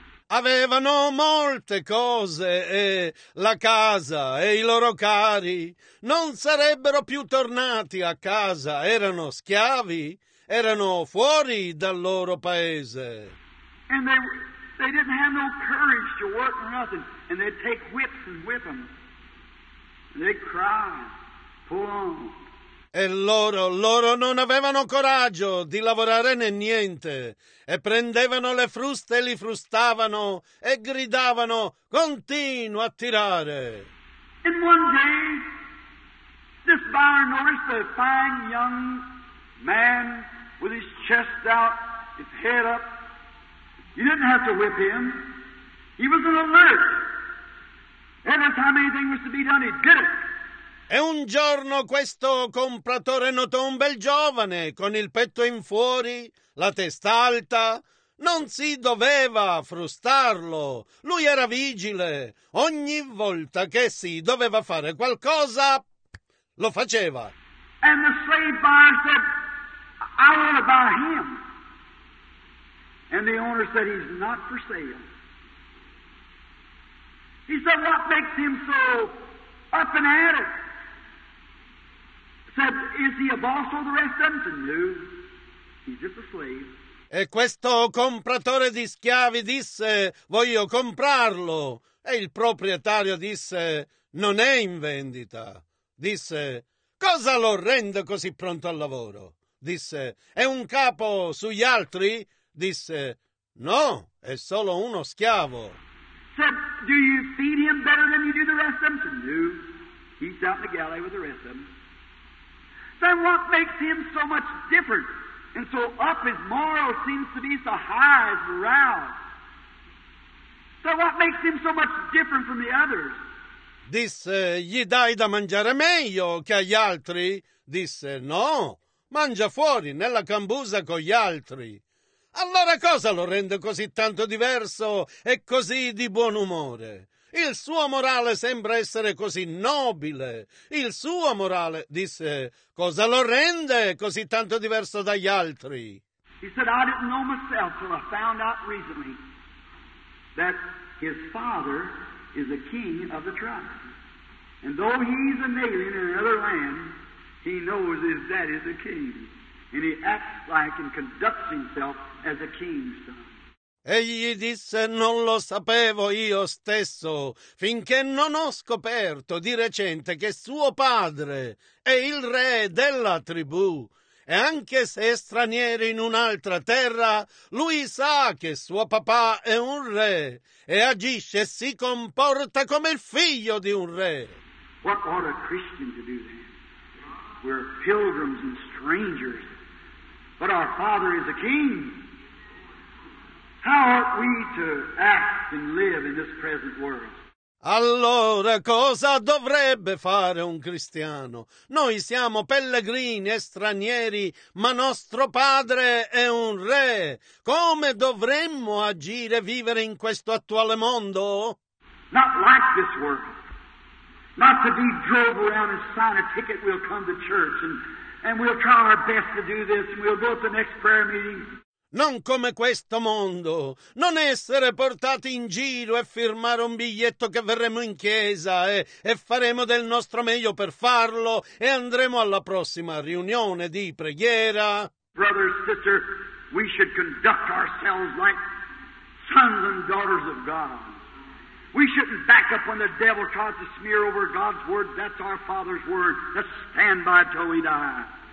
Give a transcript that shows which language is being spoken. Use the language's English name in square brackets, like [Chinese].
[Italian] Avevano molte cose e la casa e i loro cari. Non sarebbero più tornati a casa. Erano schiavi. Erano fuori dal loro paese. [English] And they didn't have no courage to work or nothing. And they'd take whips and whip them. And they'd cry, pull on. [Italian] E loro non avevano coraggio di lavorare né niente. E prendevano le fruste e li frustavano e gridavano, continua a tirare. [English] In one day, this buyer noticed a fine young man with his chest out, his head up. You didn't have to whip him. He was an alert. Every time anything was to be done, he did it. [Italian] E un giorno questo compratore notò un bel giovane con il petto in fuori, la testa alta. Non si doveva frustarlo. Lui era vigile. Ogni volta che si doveva fare qualcosa, lo faceva. [English] And the slave buyer said, I want to buy him. And the owner said, he's not for sale. He said, what makes him so up and at it? Said, is he a boss or the rest of them? No, he's just a slave. [Italian] E questo compratore di schiavi disse, voglio comprarlo. E il proprietario disse, non è in vendita. Disse, cosa lo rende così pronto al lavoro? Disse, è un capo sugli altri? Disse, no, è solo uno schiavo. [English] Said, do you feed him better than you do the rest of them? No, he's out in the galley with the rest of them. Then what makes him so much different? And so up his moral seems to be so high as morale. So what makes him so much different from the others? [Italian] Disse, gli dai da mangiare meglio che agli altri? Disse, no, mangia fuori nella cambusa con gli altri. Allora cosa lo rende così tanto diverso e così di buon umore? Il suo morale sembra essere così nobile. Il suo morale, disse, cosa lo rende così tanto diverso dagli altri? [English] He said, I didn't know myself till I found out recently that his father is a king of the tribe. And though he's an alien in another land, he knows his dad is a king. And he acts like and conducts himself as a king's son. [Italian] Egli disse, non lo sapevo io stesso, finché non ho scoperto di recente che suo padre è il re della tribù. E anche se è straniero in un'altra terra, lui sa che suo papà è un re e agisce e si comporta come il figlio di un re. [English] What ought a Christian to do then? We're pilgrims and strangers, but our father is a king. How ought we to act and live in this present world? [Italian] Allora, cosa dovrebbe fare un cristiano? Noi siamo pellegrini e stranieri, ma nostro padre è un re. Come dovremmo agire e vivere in questo attuale mondo? [English] Not like this world. Not to be drove around and sign a ticket, we'll come to church and we'll try our best to do this and we'll go to the next prayer meeting. [Italian] Non come questo mondo, non essere portati in giro e firmare un biglietto che verremo in chiesa e faremo del nostro meglio per farlo e andremo alla prossima riunione di preghiera. [English] Brother, sister, we should conduct ourselves like sons and daughters of God. We shouldn't back up when the devil tries to smear over God's word. That's our Father's word. Let's stand by till we die.